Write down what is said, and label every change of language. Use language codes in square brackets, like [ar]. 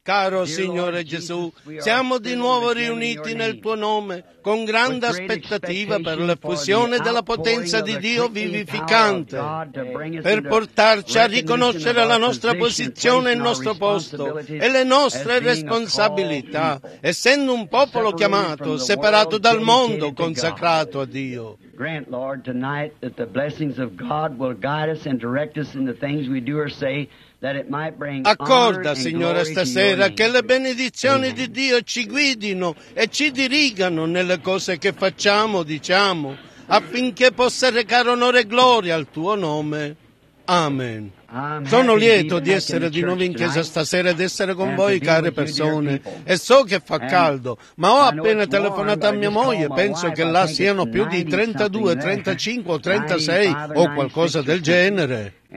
[it] Caro Signore Gesù, siamo di nuovo riuniti nel tuo nome con grande aspettativa per l'effusione della potenza di Dio vivificante, per portarci a riconoscere la nostra posizione e il nostro posto e le nostre responsabilità, essendo un popolo chiamato, separato dal mondo, consacrato a Dio. [en] Grant, Lord, tonight that the blessings of God will guide us and direct us in the things we do or say, that it might bring [it] accorda, [en] honor [it] Signore, [en] and glory [it] stasera, [en] to [it] che le benedizioni di Dio ci guidino e ci dirigano nelle cose che facciamo, diciamo, affinché possa recare onore e gloria al tuo nome. Amen. Sono lieto di essere di nuovo in chiesa stasera ed essere con voi, care persone, e so che fa caldo, ma ho appena telefonato a mia moglie, penso che là siano più di 32, 35 o 36 o qualcosa del genere.